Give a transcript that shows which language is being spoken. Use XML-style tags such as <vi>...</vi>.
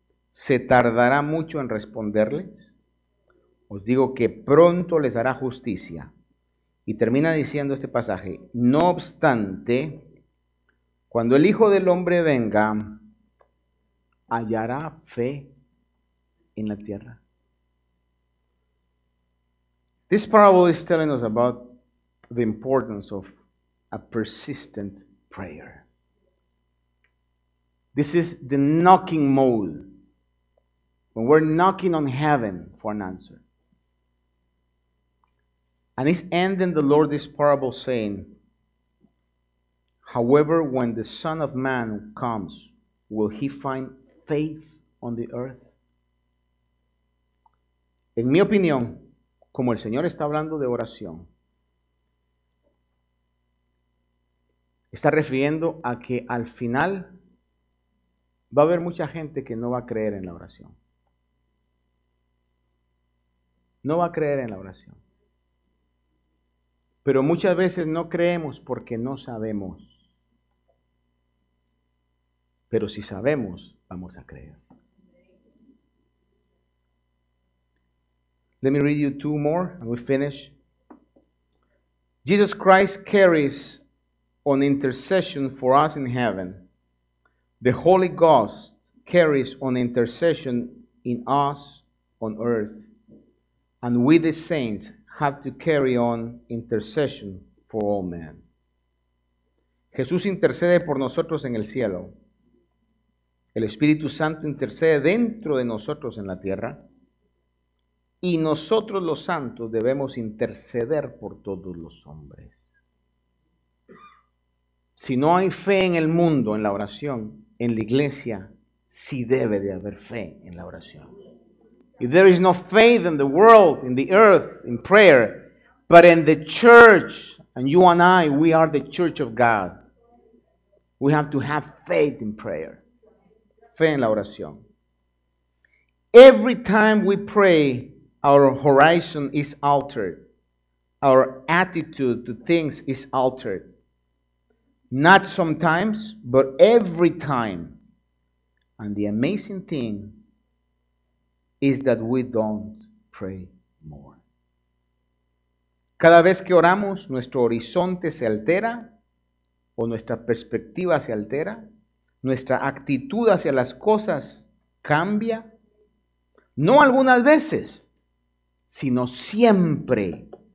<es>¿Se tardará mucho en responderles? Os digo que pronto les hará justicia. Y termina diciendo este pasaje, no obstante, cuando el Hijo del Hombre venga, ¿hallará fe en la tierra?</es> <en>This parable is telling us about the importance of a persistent prayer. This is the knocking mode. When we're knocking on heaven for an answer. And it's ending the Lord this parable saying, however, when the Son of Man comes, will he find faith on the earth?</en> <es>En mi opinión, como el Señor está hablando de oración, está refiriendo a que al final va a haber mucha gente que no va a creer en la oración. No va a creer en la oración. Pero muchas veces no creemos porque no sabemos. Pero si sabemos, vamos a creer.</es> <en>Let me read you two more and we finish. Jesus Christ carries on intercession for us in heaven. The Holy Ghost carries on intercession in us on earth. And we, the saints, have to carry on intercession for all men.</en> <es>Jesús intercede por nosotros en el cielo. El Espíritu Santo intercede dentro de nosotros en la tierra. Y nosotros los santos debemos interceder por todos los hombres. Si no hay fe en el mundo, en la oración, en la iglesia, sí debe de haber fe en la oración.</es> <en>If there is no faith in the world, in the earth, in prayer, but in the church, and you and I, we are the church of God. We have to have faith in prayer.</en> <es>Fe en la oración.</es> <en>Every time we pray, our horizon is altered. Our attitude to things is altered. Not sometimes, but every time. And the amazing thing is that we don't pray more.</en> <es>Cada vez que oramos, nuestro horizonte se altera, o nuestra perspectiva se altera, nuestra actitud hacia las cosas cambia. No algunas veces, sino siempre.</es>